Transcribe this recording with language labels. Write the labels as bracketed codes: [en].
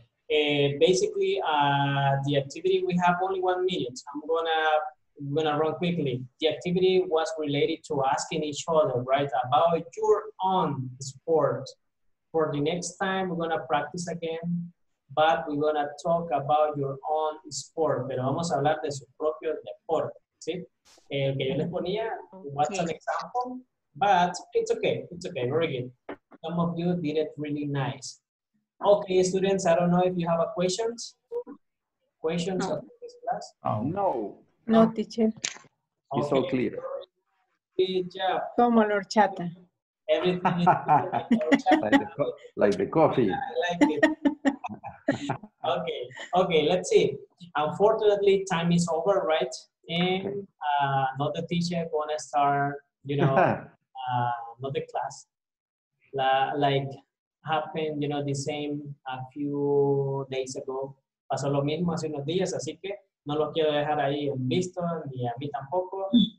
[en] And basically, the activity, we have only 1 minute. I'm gonna run quickly. The activity was related to asking each other, right, about your own sport. For the next time, we're gonna practice again, but we're gonna talk about your own sport. [es] Pero vamos a hablar de su propio deporte, ¿sí? El que yo les ponía, [en] what's an example? But it's okay, very good. Some of you did it really nice. Okay, students, I don't know if you have a questions. Questions of this class? No, teacher. Okay. It's all clear. Good job. [es] Como la horchata. [en] Everything is like the coffee. I like it. Okay, let's see. Unfortunately, time is over, right? And not the teacher gonna start, you know, not the class. Happened, you know, the same a few days ago. [es] Pasó lo mismo hace unos días, así que no lo quiero dejar ahí en visto, ni a mí tampoco.